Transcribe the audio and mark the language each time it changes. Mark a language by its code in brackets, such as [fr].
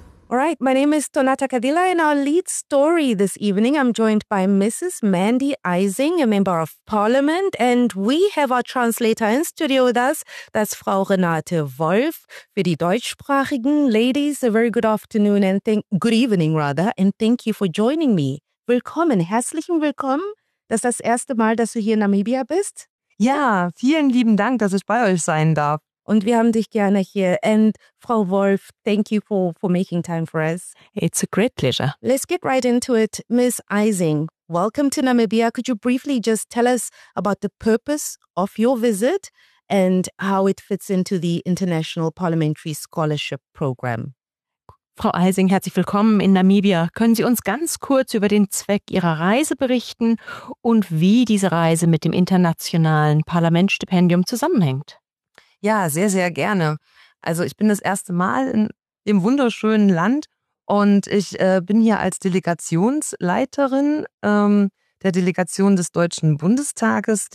[en] All right, my name is Tonata Kadila, and our lead story this evening, I'm joined by Mrs. Mandy Ising, a member of parliament, and we have our translator in studio with us, that's Frau Renate Wolf. [de] Für die deutschsprachigen [en] Ladies, a very good afternoon and good evening, and thank you for joining me. [de] Willkommen, herzlichen Willkommen. Das ist das erste Mal, dass du hier in Namibia bist. Ja, vielen lieben Dank, dass ich bei euch sein darf. Und wir haben dich gerne hier. [en] And Frau Wolf, thank you for making time for us. It's a great pleasure. Let's get right into it. Miss Ising, welcome to Namibia. Could you briefly just tell us about the purpose of your visit and how it fits into the International Parliamentary Scholarship Program? [de] Frau Ising, herzlich willkommen in Namibia. Können Sie uns ganz kurz über den Zweck Ihrer Reise berichten und wie diese Reise mit dem Internationalen Parlamentsstipendium zusammenhängt? Ja, sehr, sehr gerne. Also ich bin das erste Mal in dem wunderschönen Land und ich bin hier als Delegationsleiterin der Delegation des Deutschen Bundestages.